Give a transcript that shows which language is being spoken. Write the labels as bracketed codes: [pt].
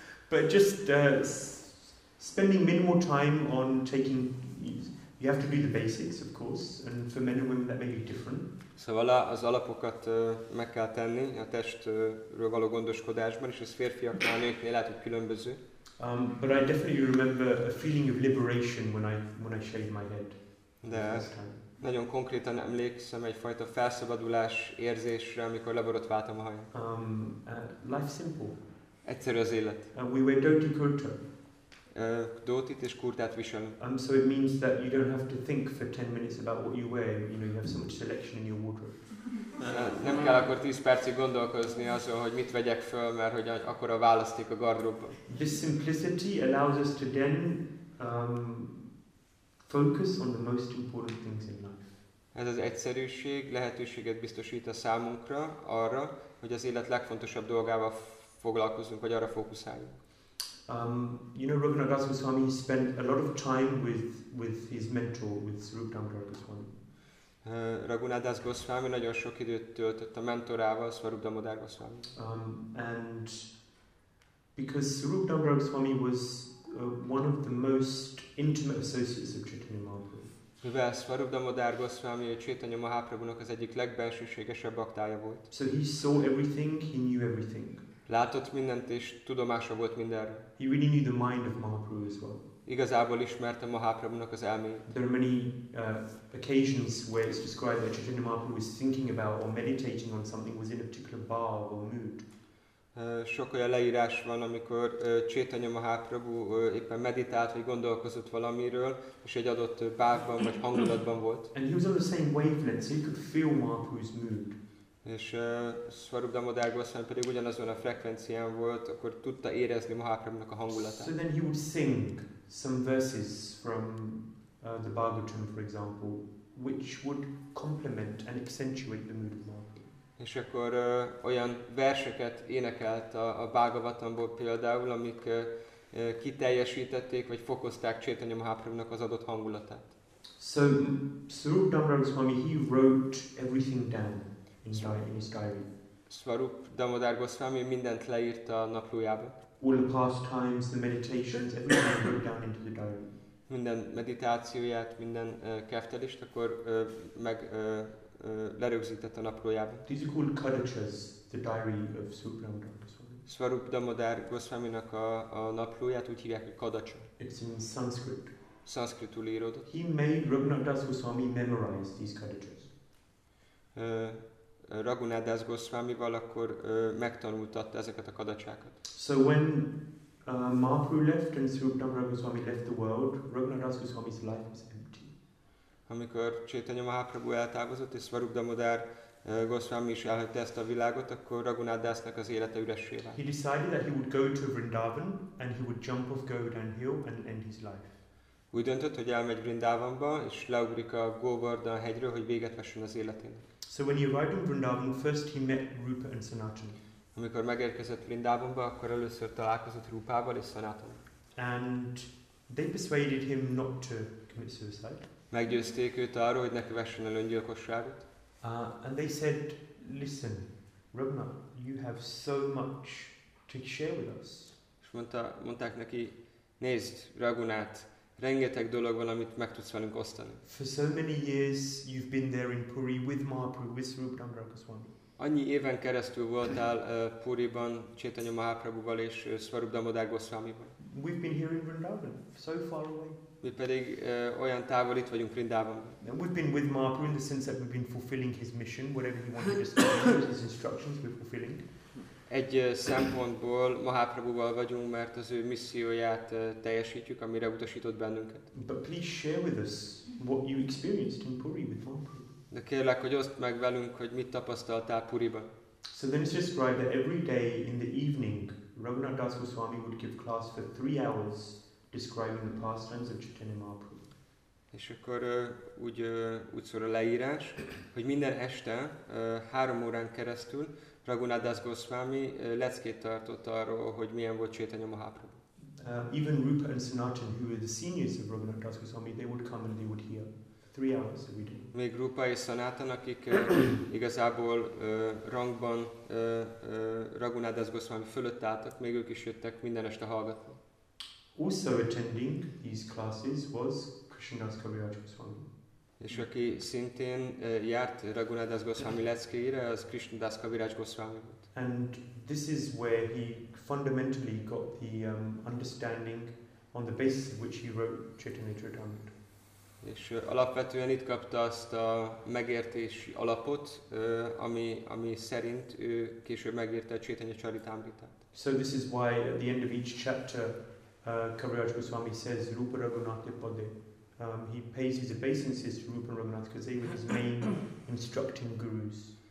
[en] But just spending minimal time on taking. You have to do the basics, of course, and for men and women that may be different. [hu] Szóval az alapokat meg kell tenni a testről való gondoskodásban, és ez férfiaknál, nőknél lehet, hogy különböző. [en] But I definitely remember a feeling of liberation when I shaved my head. [hu] De nagyon konkrétan emlékszem egyfajta felszabadulás érzésre, amikor leborotváltam a hajam. [en] Life simple. [hu] Egyszerű az élet. [en] We wear dhoti kurta. [hu] Dótit és kurtát viselünk. [en] So it means that you don't have to think for 10 minutes about what you wear. You know, you have so much selection in your wardrobe. [hu] Nem kell akkor 10 percig gondolkozni azon, hogy mit vegyek föl, mert hogy akkor a választék a gardróbban. [en] This simplicity allows us to then focus on the most important things in life. [hu] Ez az egyszerűség lehetőséget biztosít a számunkra arra, hogy az élet legfontosabb dolgával foglalkozzunk, vagy arra fókuszáljunk. [en] You know, Raghunath Das Goswami spent a lot of time with his mentor, with Swarup Damodara Goswami. [hu] Raghunath Das Goswami nagyon sok időt töltött a mentorával, Swarup Damodara Goswami. [en] And because Swarup Damodara Goswami was one of the most intimate associates of Chaitanya Mahaprabhu. [hu] Mivel Swarup Damodara Goswami a Chaitanya Mahaprabhunak az egyik legbelsőségesebb baktája volt. [en] So he saw everything, he knew everything. [hu] Látott mindent és tudomása volt mindenről. [en] He really knew the mind of Mahaprabhu as well. [hu] Igazából ismerte Mahaprabhunak az elmét. [en] There are many occasions where it's described that Chaitanya Mahaprabhu was thinking about or meditating on something was in a particular bhava or mood. [hu] Sok olyan leírás van, amikor Chaitanya Mahaprabhu éppen meditált, vagy gondolkozott valamiről, és egy adott bhávban vagy hangulatban volt. [en] And he was on the same wavelength, so he could feel Mahaprabhu's mood. [hu] És Swarup Damodar Goswami pedig ugyanazon a frekvencián volt, akkor tudta érezni Mahaprabhunak a hangulatát. [en] So then he would sing some verses from the Bhagavatam, for example, which would complement and accentuate the mood of Mahaprabhu. [hu] És akkor olyan verseket énekelt a Bhagavatamból például, amik kiteljesítették, vagy fokozták Chaitanya Mahaprabhunak az adott hangulatát. [en] So, Swarup Damodar Goswami, he wrote everything down in his diary. [hu] Swarup Damodar Goswami mindent leírta a naplójába. [en] All the pastimes, the meditations, everything wrote down into the diary. [hu] Minden meditációját, minden keftelést, akkor meg... lerögzített a naplójában. [en] These are called Kadachas, the diary of Swarup Damodar Goswami. [hu] Swarup Damodar Goswaminak a naplóját úgy hívják, hogy Kadacha. [en] It's in Sanskrit. [hu] Sanskritul íródott. [en] He made Raghunath Das Goswami memorize these Kadachas. [hu] Raghunath Das Goswamival akkor megtanultatta ezeket a kadacsákat. [en] So when Mahaprabhu left and Swarup Damodar Goswami left the world, Raghunath Das Goswami's life was ended. [hu] Amikor Chaitanya Mahaprabhu eltávozott, és Swarup Damodar Goswami is elhagyta ezt a világot, akkor Raghunath Dasnak az élete üressé vált. [en] He decided that he would go to Vrindavan and he would jump off Govardhan Hill and end his life. [hu] Úgy döntött, hogy elmegy Vrindavanba, és leugrik a Govardhan hegyről, hogy véget vessen az életének. [en] So when he arrived in Vrindavan, first he met Rupa and Sanatan. [hu] Amikor megérkezett Vrindavanba, akkor először találkozott Rupával és Sanatanval. [en] And they persuaded him not to commit suicide. [hu] Meggyőzték őt arról, hogy ne kövessen el öngyilkosságot. [en] And they said, listen, Raghunath, you have so much to share with us. [hu] És mondták neki, nézd, Raghunath, rengeteg dolog van, amit meg tudsz velünk osztani. [en] For so many years you've been there in Puri with Mahaprabhu, with Swarup Damodar Goswami. [hu] Annyi éven keresztül voltál Puriban, Chaitanya Mahaprabhuval és Swarup Damodar Goswamival. [en] We've been here in Vrindavan, so far away. [hu] Mi pedig olyan távol itt vagyunk Vrindában. [en] We've been with Mahaprabhu in the sense that we've been fulfilling his mission, whatever he wanted us to do, his instructions we're fulfilling. [hu] Egy szempontból Mahaprabhuval vagyunk, mert az ő misszióját teljesítjük, amire utasított bennünket. [en] But please share with us what you experienced in Puri with Mahaprabhu. [hu] De kérlek, hogy oszd meg velünk, hogy mit tapasztaltál Puriban. [en] So then it's described that every day in the evening, Raghunath Das Goswami would give class for 3 hours describing the pastimes of Chaitanya Mahaprabhu. [hu] És akkor úgy szól a leírás, hogy minden este 3 órán keresztül Raghunath Das Goswami leckét tartott arról, hogy milyen volt Chaitanya Mahaprabhu. [en] Even Rupa and Sanatan, who were the seniors of Raghunath Das Goswami, they would come and they would hear 3 hours every day. [hu] Még Rupa és Sanatan, akik igazából rangban Raghunath Das Goswami fölött álltak, még ők is jöttek minden este hallgatni. [en] Also attending these classes was Krishnadas Kaviraj Goswami. [hu] És aki szintén járt Raghunath Das Goswami leckéire, az Krishnadas Kaviraj Goswami volt. [en] And this is where he fundamentally got the understanding on the basis of which he wrote Chaitanya Charitamrita. [hu] És alapvetően itt kapta azt a megértési alapot, ami szerint ő később megírta a Chaitanya Charitamritát. [en] So this is why at the end of each chapter Kaviraj Goswami says Rupa Raghunath Pade. He pays his obeisances to Rupa Raghunath because they were his main instructing gurus.